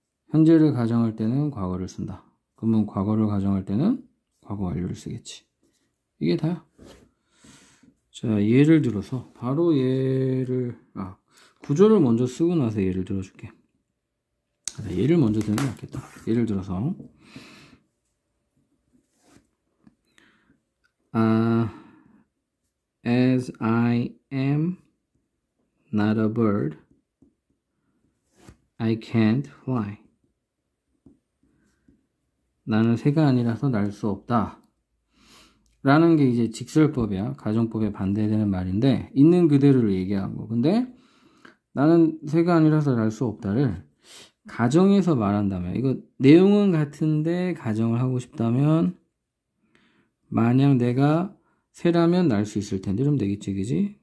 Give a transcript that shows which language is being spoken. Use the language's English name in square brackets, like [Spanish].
[Korean] 현재를 가정할 때는 과거를 쓴다. 그러면 과거를 가정할 때는 과거 완료를 쓰겠지. 이게 다야. 자, 예를 들어서 바로 예를 구조를 먼저 쓰고 나서 예를 들어줄게. 예를 먼저 드는 게 낫겠다. 예를 들어서, [English] as I am not a bird, I can't fly. [Korean] 나는 새가 아니라서 날수 없다. 라는 게 이제 직설법이야. 가정법에 반대되는 말인데, 있는 그대로를 얘기한 거. 근데 나는 새가 아니라서 날수 없다를 가정에서 말한다면, 이거 내용은 같은데 가정을 하고 싶다면, 만약 내가 새라면 날수 있을 텐데, 이러면 되겠지, 그지?